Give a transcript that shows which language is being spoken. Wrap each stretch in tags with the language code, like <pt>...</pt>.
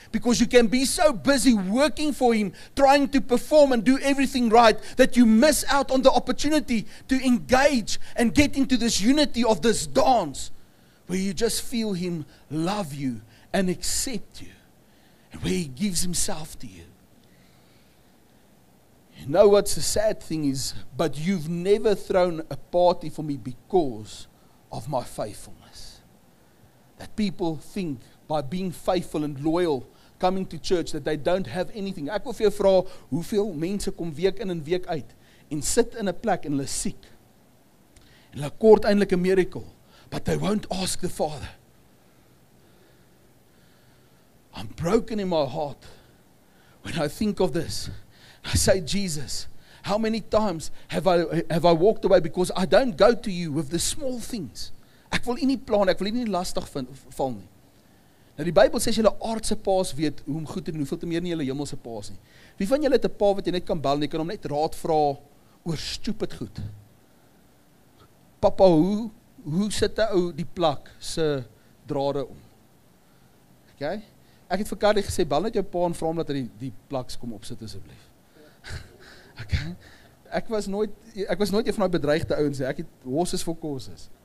<en>Because you can be so busy working for him, trying to perform and do everything right, that you miss out on the opportunity to engage and get into this unity of this dance, where you just feel him love you and accept you, and where he gives himself to you. You know what's the sad thing is, but you've never thrown a party for me because of my faithfulness. That people think by being faithful and loyal, coming to church, that they don't have anything.</en> <af>Ek wil vir jou vra, hoeveel mense kom week in en week uit en sit in 'n plek en hulle siek. En hulle kort eintlik 'n miracle,</af> <en>but they won't ask the Father. I'm broken in my heart when I think of this. I say, Jesus, how many times have I walked away because I don't go to you with the small things.</en> <af>Ek wil nie plan, ek wil nie lastig val nie. Nou die Bybel sê as julle aardse paas weet hoe om goed te doen, hoeveel te meer nie julle hemelse paas nie. Wie van julle het 'n pa wat jy net kan bel en jy kan hom net raad vra oor stupid goed. Papa, hoe sit die ou die plak se drade om? Okay? Ek het vir Carly gesê, bel net jou pa en vra hom dat hy die plaks kom opsit asseblief.</af> <en>Okay?</en> <af>Ek was nooit een van die bedreigde ouens, ek het</af> <en>horses for courses.</en>